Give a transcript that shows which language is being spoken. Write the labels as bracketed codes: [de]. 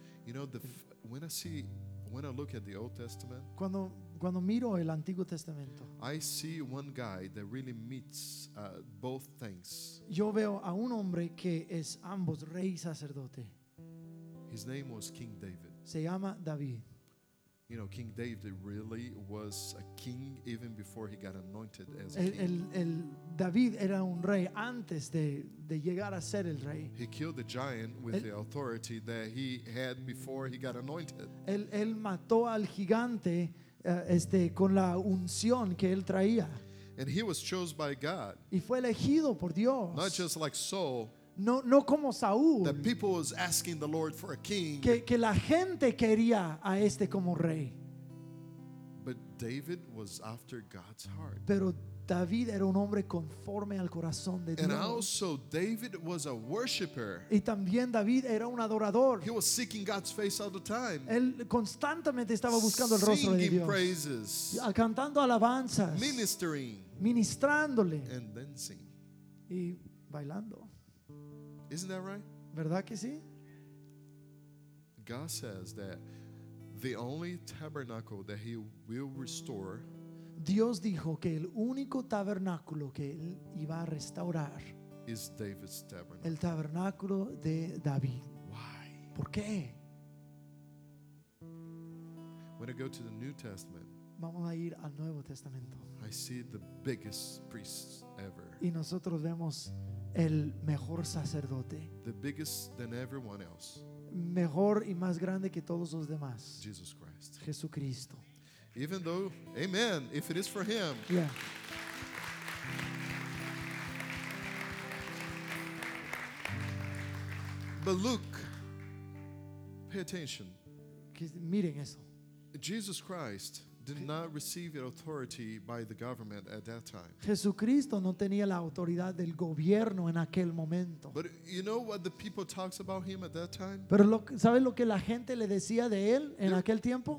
[en] You know, when I look at the Old Testament, [es] cuando miro el Antiguo Testamento, [en] I see one guy that really meets both things. [es] Yo veo a un hombre que es ambos rey y sacerdote. [en] His name was King David. [es] Se llama David. [en] You know, King David really was a king even before he got anointed as [es] el, [en] a king. [es] El David era un rey antes de llegar a ser el rey. [en] He killed the giant with the authority that he had before he got anointed. [es] Él mató al gigante con la unción que él traía. [en] And he was chosen by God. [es] Y fue elegido por Dios. [en] Not just like Saul. [es] No como Saúl. [en] The people was asking the Lord for a king. [es] Que la gente quería a este como rey. [en] But David was after God's heart. [es] Pero David era un hombre conforme al corazón de Dios. [en] And also David was a worshipper. [es] Y también David era un adorador. [en] He was seeking God's face all the time. [es] Él constantemente estaba buscando el rostro de Dios. [en] Singing praises. [es] Cantando alabanzas. [en] Ministering. [es] Ministrándole. [en] And dancing. [es] Y bailando. [en] Isn't that right? [es] ¿Verdad que sí? [en] God says that the only tabernacle that he will restore, [es] Dios dijo que el único tabernáculo que él iba a restaurar, [en] is David's tabernacle. [es] El tabernáculo de David. [en] Why? [es] ¿Por qué? [en] When I go to the New Testament, [es] vamos a ir al Nuevo Testamento. [en] I see the biggest priests ever. [es] Y nosotros vemos el mejor sacerdote. [en] The biggest than everyone else. [es] Mejor y más grande que todos los demás. [en] Jesus Christ. [es] Jesucristo. [en] Even though, amen, if it is for him. Yeah. But look, pay attention. [es] Miren eso. [en] Jesus Christ did not receive authority by the government at that time. [es] Jesucristo no tenía la autoridad del gobierno en aquel momento. [en] But you know what the people talks about him at that time? [es] Pero ¿sabes lo que la gente le decía de él en aquel tiempo?